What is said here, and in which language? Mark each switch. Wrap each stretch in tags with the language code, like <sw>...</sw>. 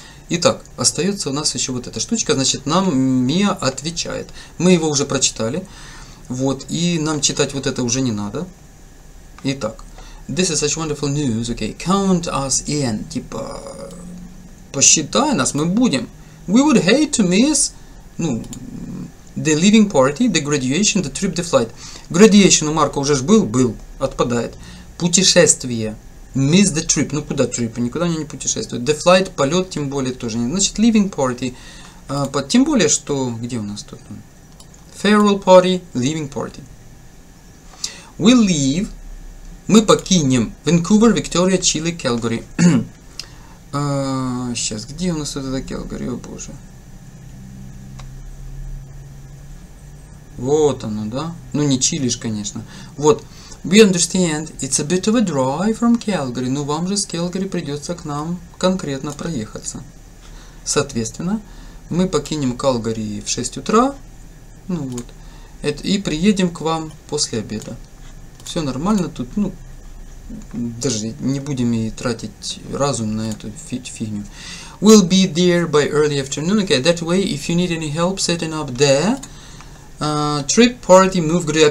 <ru>Итак, остается у нас еще вот эта штучка. Значит, нам Мия отвечает. Мы его уже прочитали. Вот, и нам читать вот это уже не надо. Итак.</ru> <en>This is such wonderful news. Okay. Count us in.</en> <ru>Типа, посчитай нас, мы будем.</ru> <en>We would hate to miss... Ну, the leaving party, the graduation, the trip, the flight.</en> <ru>Graduation у Марка уже ж был, отпадает. Путешествие.</ru> <en>Miss the trip.</en> <ru>Ну куда trip? Никуда они не путешествуют. The flight, полет, тем более тоже. Значит, leaving party. Тем более, что... Где у нас тут?</ru> <en>Farewell party, leaving party. We leave.</en> <ru>Мы покинем. Vancouver, Victoria, Chile, Calgary. сейчас, где у нас это Calgary? О боже. Вот оно, да? Ну, не чилишь, конечно. Вот.</ru> <en>We understand, it's a bit of a drive from Calgary.</en> <ru>Ну, вам же с Calgary придется к нам конкретно проехаться. Соответственно, мы покинем Calgary в 6 утра. Ну, вот. И приедем к вам после обеда. Все нормально тут, ну, даже не будем и тратить разум на эту фигню.</ru> <en>We'll be there by early afternoon. Okay, that way, if you need any help setting up there, trip party move graduation.</en>